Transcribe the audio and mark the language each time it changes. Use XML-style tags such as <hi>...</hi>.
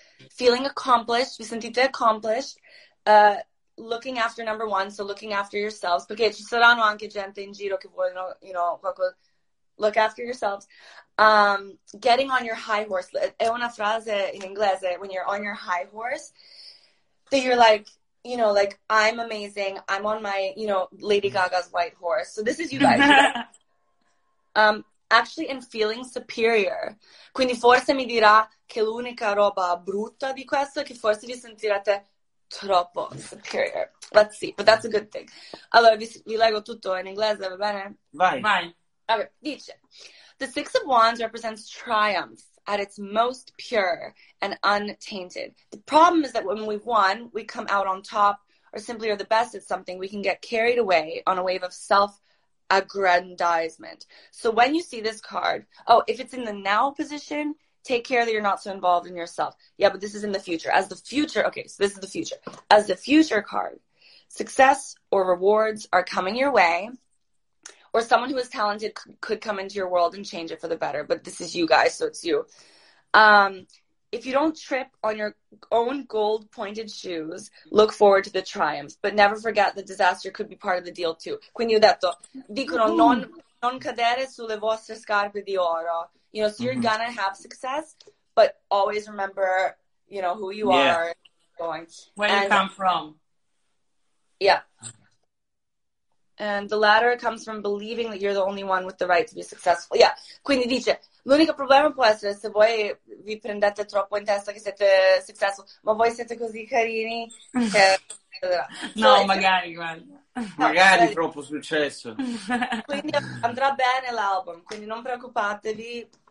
<en>Feeling accomplished,</en> <it>vi sentite</it> <en>accomplished, looking after number one, so looking after yourselves,</en> <it>perché ci saranno anche gente in giro che vogliono,</it> <en>you know, look after yourselves, getting on your high horse,</en> <it>è una frase in inglese,</it> <en>when you're on your high horse, that you're like, you know, like, I'm amazing, I'm on my, you know, Lady Gaga's white horse, so this is you guys. Actually, in feeling superior.</en> <it>Quindi forse mi dirà che l'unica roba brutta di questo è che forse vi sentirete troppo superior.</it> <en>Let's see, but that's a good thing.</en> <it>Allora, vi leggo tutto in inglese, va bene? Vai. Vai. Okay, dice.</it> <en>The Six of Wands represents triumph at its most pure and untainted. The problem is that when we've won, we come out on top or simply are the best at something, we can get carried away on a wave of self aggrandizement. So when you see this card, oh, if it's in the now position, take care that you're not so involved in yourself. Yeah, but this is in the future. As the future, okay, so this is the future. As the future card, success or rewards are coming your way, or someone who is talented could come into your world and change it for the better, but this is you guys, so it's you. If you don't trip on your own gold-pointed shoes, look forward to the triumphs, but never forget the disaster could be part of the deal too.</en> <it>Quindi ho detto, dicono non cadere sulle vostre scarpe di oro.</it> <en>You know, so you're gonna have success, but always remember, you know, who you are going. Where you come from. Yeah. And the latter comes from believing that you're the only one with the right to be successful. Yeah.</en> <it>Quindi dice, l'unico problema può essere se voi vi prendete troppo in testa che siete successful, ma voi siete così carini. Che... No, so, magari, guarda. Magari troppo successo. Quindi andrà bene l'album, quindi non preoccupatevi.</it>